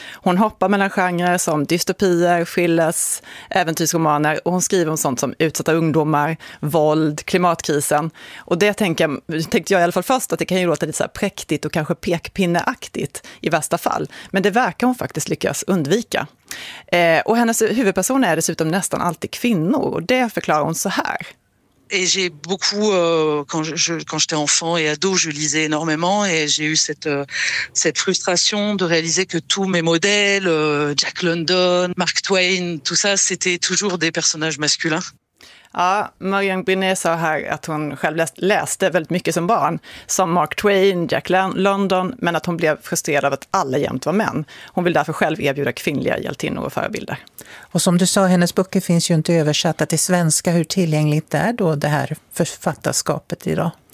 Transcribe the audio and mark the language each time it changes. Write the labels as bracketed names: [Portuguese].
[Swedish] Hon hoppar mellan genrer som dystopier, thrillers, äventyrsromaner, och hon skriver om sånt som utsatta ungdomar, våld, klimatkrisen. Och det tänkte jag i alla fall först att det kan ju låta lite så här präktigt och kanske pekpinneaktigt i värsta fall. Men det verkar hon faktiskt lyckas undvika. Och hennes huvudperson är dessutom nästan alltid kvinnor, och det förklarar hon så här. [French] Et j'ai beaucoup, quand j'étais enfant et ado, je lisais énormément et j'ai eu cette frustration de réaliser que tous mes modèles, Jack London, Mark Twain, tout ça, c'était toujours des personnages masculins. [Swedish] Ja, Marianne Brunet sa här att hon själv läste väldigt mycket som barn, som Mark Twain, Jack London, men att hon blev frustrerad av att alla jämt var män. Hon vill därför själv erbjuda kvinnliga hjältinnor och förebilder. Och som du sa, hennes böcker finns ju inte översatta till svenska. Hur tillgängligt är då det här författarskapet idag?